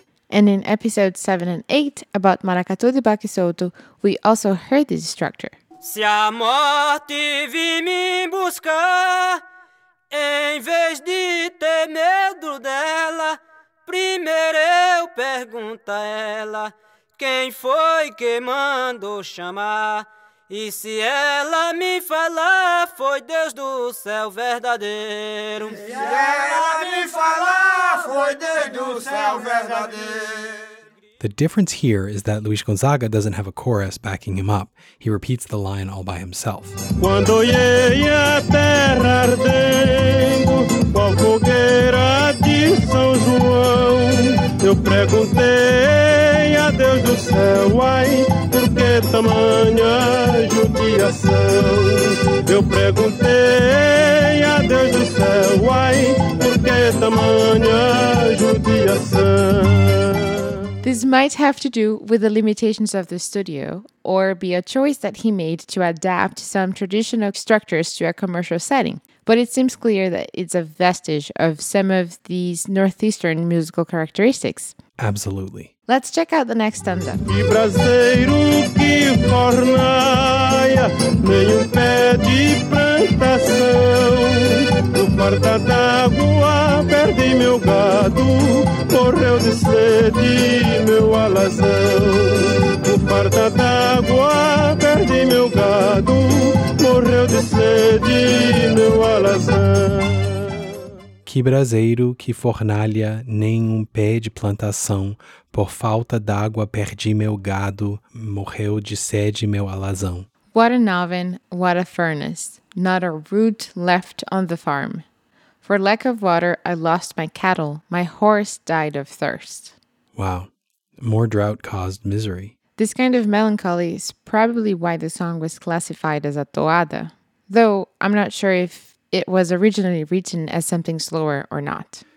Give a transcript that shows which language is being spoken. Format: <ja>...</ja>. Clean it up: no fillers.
<en>And in episodes 7 and 8 about Maracatu de Bakisoto, we also heard this structure.</en> <pt>Se a morte vir me buscar, em vez de ter medo dela, primeiro eu pergunto a ela quem foi que mandou chamar. E se ela me falar, foi Deus do céu verdadeiro. Se ela me falar, foi Deus do céu verdadeiro.</pt> <en>The difference here is that Luis Gonzaga doesn't have a chorus backing him up. He repeats the line all by himself.</en> <pt>Quando eu ia terra ardendo, qual fogueira de São João, eu perguntei a Deus do céu, ai, por que tamanha judiação? Eu perguntei a Deus do céu, ai, por que tamanha judiação?</pt> <en>This might have to do with the limitations of the studio, or be a choice that he made to adapt some traditional structures to a commercial setting. But it seems clear that it's a vestige of some of these northeastern musical characteristics. Absolutely. Let's check out the next stanza.</en> <pt>E braseiro que fornaia, nenhum pé de plantação. No porta d'água perdi meu gado, morreu de sede meu alazão. No porta d'água perdi meu gado, morreu de sede meu alazão. Que braseiro, que fornalha, nenhum pé de plantação, por falta d'água perdi meu gado, morreu de sede meu alazão.</pt> <en>What an oven, what a furnace, not a root left on the farm. For lack of water, I lost my cattle, my horse died of thirst. Wow, more drought caused misery. This kind of melancholy is probably why the song was classified as a toada, though I'm not sure if it was originally written as something slower or not.</en>